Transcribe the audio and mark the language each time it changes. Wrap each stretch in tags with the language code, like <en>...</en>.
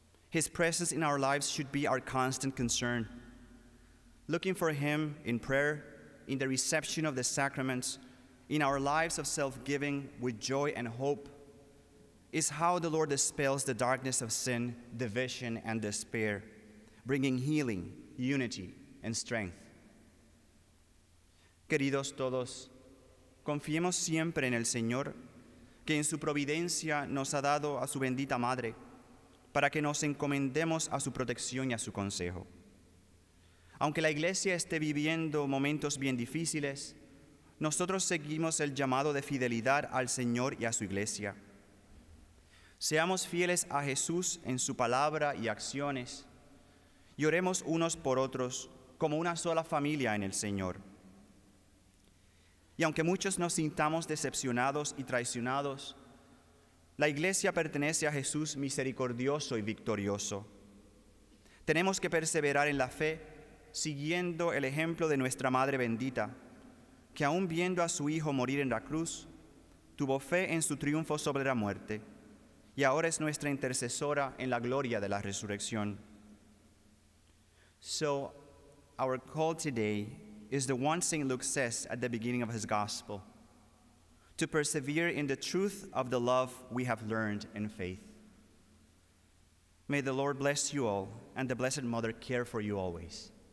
<en>His presence in our lives should be our constant concern. Looking for him in prayer, in the reception of the sacraments, in our lives of self-giving with joy and hope, is how the Lord dispels the darkness of sin, division, and despair, bringing healing, unity, and strength.</en> <es>Queridos todos, confiemos siempre en el Señor, que en su providencia nos ha dado a su bendita madre, para que nos encomendemos a su protección y a su consejo. Aunque la Iglesia esté viviendo momentos bien difíciles, nosotros seguimos el llamado de fidelidad al Señor y a su Iglesia. Seamos fieles a Jesús en su palabra y acciones, y oremos unos por otros como una sola familia en el Señor. Y aunque muchos nos sintamos decepcionados y traicionados, la Iglesia pertenece a Jesús misericordioso y victorioso. Tenemos que perseverar en la fe, siguiendo el ejemplo de nuestra Madre bendita, que aún viendo a su Hijo morir en la cruz, tuvo fe en su triunfo sobre la muerte, y ahora es nuestra intercesora en la gloria de la resurrección.</es> <en>So, our call today is the one St. Luke says at the beginning of his gospel, to persevere in the truth of the love we have learned in faith. May the Lord bless you all, and the Blessed Mother care for you always.</en>